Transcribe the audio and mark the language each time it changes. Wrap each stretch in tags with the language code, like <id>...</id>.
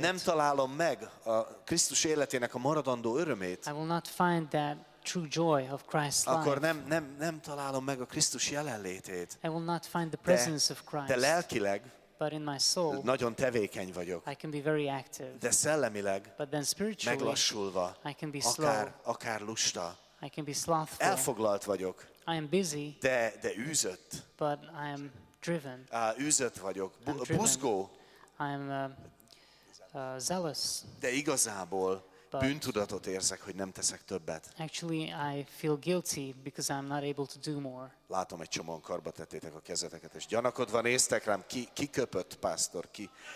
<hu>Nem találom meg a Krisztus életének a maradandó örömét.</hu> <en>I will not find that true joy of Christ's life.</en> <hu>Akkor nem találom meg a Krisztus jelenlétét.</hu> <en>I will not find the presence of Christ.</en> <hu>De lelkileg,</hu> <en>but in my soul,</en> <hu>nagyon tevékeny vagyok.</hu> <en>I can be very active.</en> <hu>De szellemileg,</hu> <en>but then spiritually,</en> <hu>meglassulva,</hu> <en>I can be slow.</en> <hu>Akár lusta.</hu> <en>I can be slothful.</en> <hu>Elfoglalt vagyok.</hu> <en>I am busy.</en> <hu>De űzött.</hu> <en>But I am driven.</en> <hu>Űzött vagyok. Buzgó.</hu> <en>I am zealous.</en> <hu>De igazából bűntudatot érzek, hogy nem teszek többet.</hu> <en>Actually, I feel guilty because I'm not able to do more.</en> <hu>Látom egy csomóan karba tettétek a kezeteket, és gyanakodva néztek rám, ki köpött, pásztor, ki.</hu>